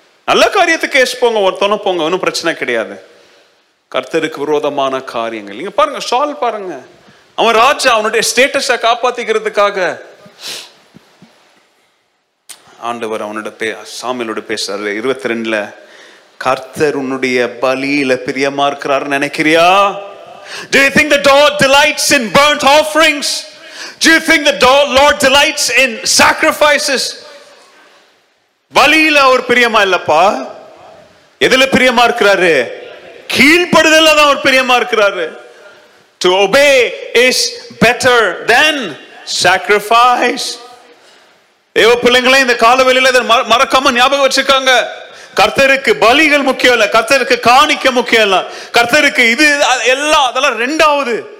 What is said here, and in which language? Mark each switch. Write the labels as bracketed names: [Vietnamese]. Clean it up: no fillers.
[Tamil] நல்ல காரியத்துக்கு எஸ் போங்க, ஒருத்தனும் போங்க, ஒன்றும் பிரச்சனை கிடையாது. கர்த்தருக்கு விரோதமான காரியங்கள் நீங்க பாருங்க, சால் பாருங்க, அவன் ராஜா அவனுடைய ஸ்டேட்டஸ காப்பாத்திக்கிறதுக்காக ஆண்டவர் அவனோட சாமியோட பேசுறாரு. 22 கர்த்தர் உன்னுடைய பலியில பிரியமா இருக்கிறார் நினைக்கிறியா? [English] Do you think the Lord delights in burnt offerings? Do you think the Lord delights in sacrifices? [Tamil] பலியில அவர் பிரியமா இல்லப்பா, எதுல பிரியமா இருக்கிறாரு, கீழ்படுதல்ல தான் அவர் பிரியமா இருக்கிறாரு. [English] To obey is better than sacrifice. [Tamil] ஏவ பிள்ளைங்களே, இந்த காலவெளியில மறக்காம ஞாபகம் வச்சுக்காங்க, கர்த்தருக்கு பலிகள் முக்கியம் இல்ல, கர்த்தருக்கு காணிக்க முக்கியம் இல்ல, கர்த்தருக்கு இது எல்லாம் அதெல்லாம் ரெண்டாவது.